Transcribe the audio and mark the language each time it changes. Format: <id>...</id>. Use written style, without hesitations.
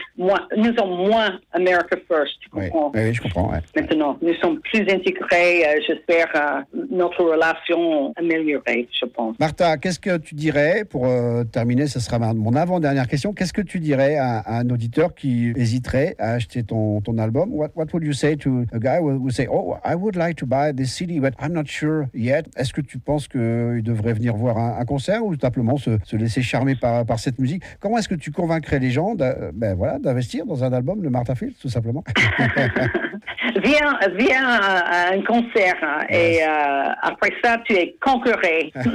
<fr>Nous sommes moins America first, tu comprends? Oui, je comprends, ouais. Maintenant, nous sommes plus intégrés, j'espère, notre relation améliorée, je pense. Martha, qu'est-ce que tu dirais, pour terminer, ce sera mon avant-dernière question, qu'est-ce que tu dirais à un auditeur qui hésiterait à acheter ton album?</fr> <en>What would you say to a guy who say, oh, I would like to buy this CD, but I'm not sure yet?</en> <fr>Est-ce que tu penses qu'il devrait venir voir un concert ou simplement se laisser charmer par cette musique? Comment est-ce que tu convaincrais les gens d'investir dans un album de Martha Fields, tout simplement? Viens à un concert, hein, après ça, tu es concuré.</fr>